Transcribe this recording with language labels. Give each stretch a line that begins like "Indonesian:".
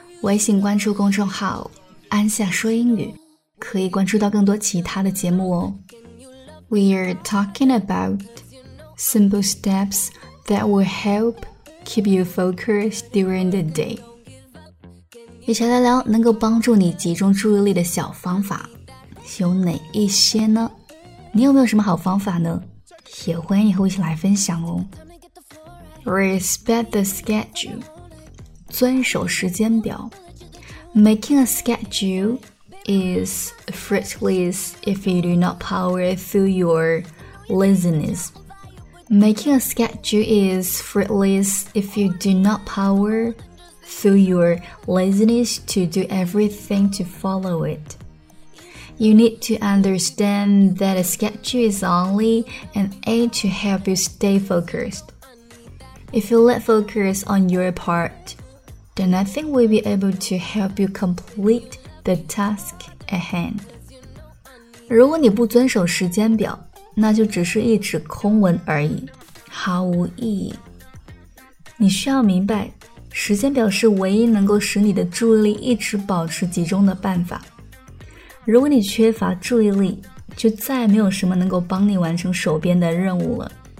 Chinese: 微信关注公众号安夏说英语，可以关注到更多其他的节目哦。
English: We are talking about simple steps that will help keep you focused during the day.
Chinese: 一起来聊能够帮助你集中注意力的小方法，有哪一些呢？你有没有什么好方法呢？也欢迎和我一起来分享哦。
English: Respect the schedule，
Chinese: 遵守时间表。
English: Making a schedule is fruitless if you do not power through your laziness. Making a schedule is fruitless if you do not power through your laziness to do everything to follow it. You need to understand that a schedule is only an aid to help you stay focused. If you let focus on your part, then nothing will be able to help you complete the task at hand.
Chinese: 如果你不遵守时间表，那就只是一纸空文而已，毫无意义。你需要明白，时间表是唯一能够使你的注意力一直保持集中的办法。如果你缺乏注意力，就再也没有什么能够帮你完成手边的任务了。